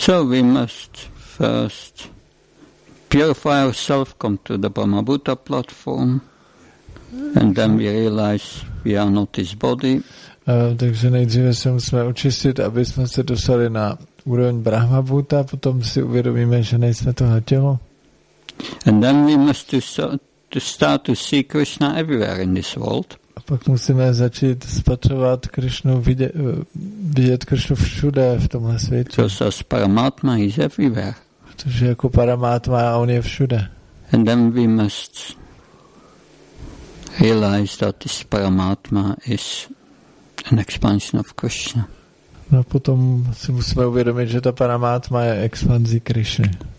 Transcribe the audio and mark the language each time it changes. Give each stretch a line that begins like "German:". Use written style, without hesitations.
English: So we must first purify ourselves, come to the Brahma Buddha platform, and then we realize we are not this body.
Czech: Takže nejdříve se musíme očistit, aby jsme se dostali na úroveň Brahma Bhuta, potom si uvědomíme, že nejsme toho tělo.
English: And then we must to start to see Krishna everywhere in this world.
Czech: A pak musíme začít spatřovat Krishnu, vidět Krishnu všude v tomhle světě.
English: Because as Paramatma is everywhere.
Czech: Protože jako Paramatma a on je všude.
English: And then we must realize that this Paramatma is an expansion of Krishna.
Czech: No, potom si musíme uvědomit, že ta paramátma je expanzí Krishny.